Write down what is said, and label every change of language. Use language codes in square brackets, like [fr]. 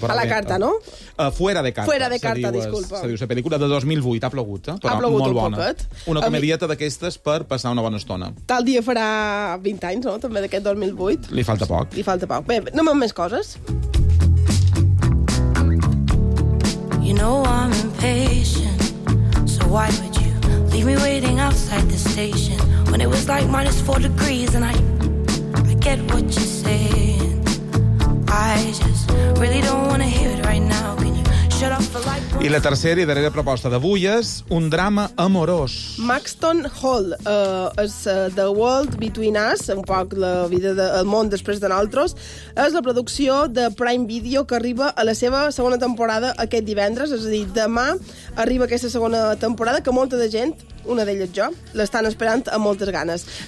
[es] A la carta, no? Fuera de carta. Fuera de carta, disculpa. [ca] Se diu la pel·lícula de 2008. Ha plogut, eh? Però ha plogut molt un bona. Poquet. Una comedieta d'aquestes per passar una bona estona. Tal dia farà 20 anys, no? També d'aquest 2008. Li falta poc. Li falta poc. Bé, no m'han més coses. [en] You know I'm impatient, so why would you leave me waiting outside the station when it was like -4 degrees? And I get what you're saying. I just really don't want to hear it right now. Can you shut up for like... [ca] I la tercera i darrera proposta d'avui és un drama amorós. Maxton Hall és The World Between Us, un poc la vida del món després de nosaltres. És la producció de Prime Video que arriba a la seva segona temporada aquest divendres, és a dir, demà arriba aquesta segona temporada que molta de gent, una d'elles jo, l'estan esperant amb moltes ganes.